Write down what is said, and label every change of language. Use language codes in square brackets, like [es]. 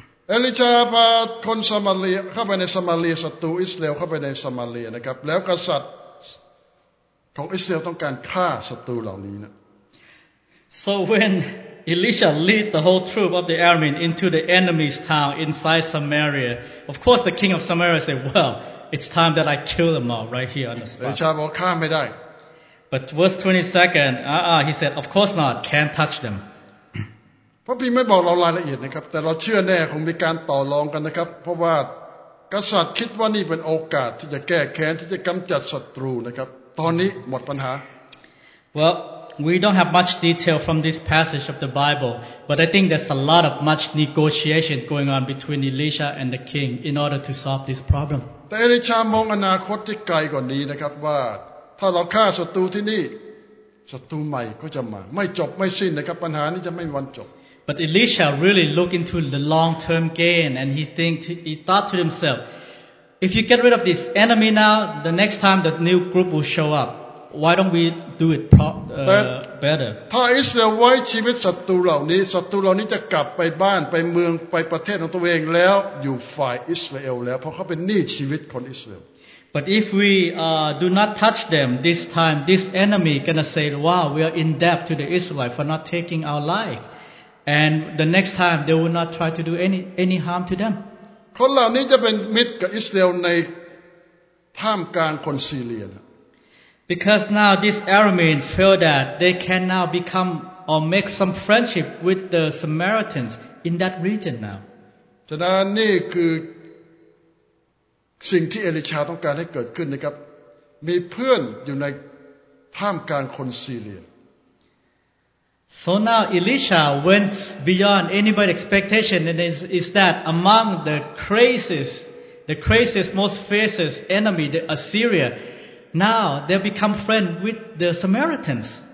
[th] เอลิชาพาคนซามาเลียเข้าไปในซามาเลียศัตรูอิสราเอลเข้าไปในซามาเลียนะครับแล้วกษัตริย์ของอิสราเอลต้องการฆ่าศัตรูเหล่านี้นะ [en] So when Elisha lead the whole troop of the Aramean into the enemy's town inside Samaria of course the king of Samaria said well it's time that I kill them all right here on the spot [th] เอลิชาบอกฆ่าไม่ได้ [en] But verse 22 he said of course not can't touch them [th] พระพิมไม่บอกเรารายละเอียดนะครับแต่เราเชื่อแน่คงมีการต่อรองกันนะครับเพราะว่ากษัตริย์คิดว่านี่เป็นโอกาสที่จะแก้แค้นที่จะกำจัดศัตรูนะครับตอนนี้หมดปัญหา [en] Well we don't have much detail from this passage of the Bible but I think there's a lot of much negotiation going on between Elisha and the king in order to solve this problem [th] แต่เอลิชามองอนาคตที่ไกลกว่านี้นะครับว่าถ้าเราฆ่าศัตรูที่นี่ศัตรูใหม่ก็จะมาไม่จบไม่สิ้นนะครับปัญหานี้จะไม่มีวันจบ [en] But Elisha really looked into the long-term gain, and he thought to himself, "If you get rid of this enemy now, the next time the new group will show up. Why don't we do it better?" [th] ถ้าอิสราเอลไว้ชีวิตศัตรูเหล่านี้ศัตรูเหล่านี้จะกลับไปบ้านไปเมืองไปประเทศของตัวเองแล้วอยู่ฝ่ายอิสราเอลแล้วเพราะเขาเป็นหนี้ชีวิตคนอิสราเอล [en] But if we do not touch them this time, this enemy gonna say, "Wow, we are in debt to the Israelites for not taking our life." And the next time they will not try to do any harm to them. [th] คนเหล่านี้จะเป็นมิตรกับอิสราเอลในท่ามกลางคนซีเรียนะ [en] Because now these Arameans feel that they can now become or make some friendship with the Samaritans in that region now. [th] ฉะนั้นนี่คือสิ่งที่เอลิชาต้องการให้เกิดขึ้นนะครับมีเพื่อนอยู่ในท่ามกลางคนซีเรีย [en] So now Elisha went beyond anybody's expectation and is that among the craziest, most fiercest enemy, the Assyria, now they've become friends with the Samaritans.